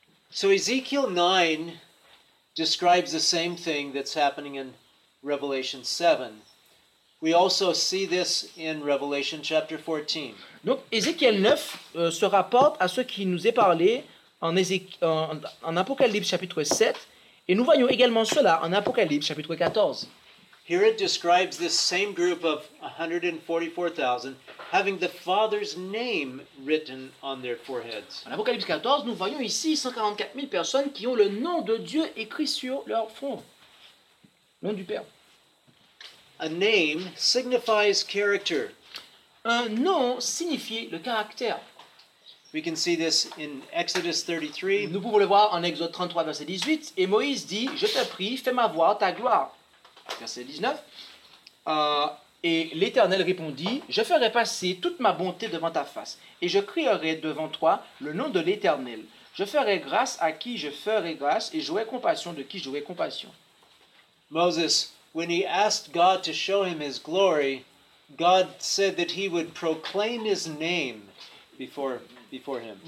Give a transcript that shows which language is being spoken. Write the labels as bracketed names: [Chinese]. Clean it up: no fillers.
[English] So Ezekiel 9 describes the same thing that's happening in Revelation 7. We also see this in Revelation chapter 14. [French] Donc Ézéchiel 9 se rapporte à ce qui nous est parlé en Apocalypse chapitre 7. Et nous voyons également cela en Apocalypse chapitre 14. [English] Here it describes this same group of 144,000 having the Father's name written on their foreheads. [French] En Apocalypse 14, nous voyons ici 144 000 personnes qui ont le nom de Dieu écrit sur leur front. Le nom du Père. [English] A name signifies character. [French] Un nom signifie le caractère. [English] We can see this in Exodus 33. [French] Nous pouvons le voir en Exode 33, verset 18. Et Moïse dit, je te prie, fais-moi voir ta gloire. Verset 19. Et l'Éternel répondit, je ferai passer toute ma bonté devant ta face, et je crierai devant toi le nom de l'Éternel. Je ferai grâce à qui je ferai grâce, et j'aurai compassion de qui j'aurai compassion. [English] Moses, when he asked God to show him his glory, God said that he would proclaim his name before him.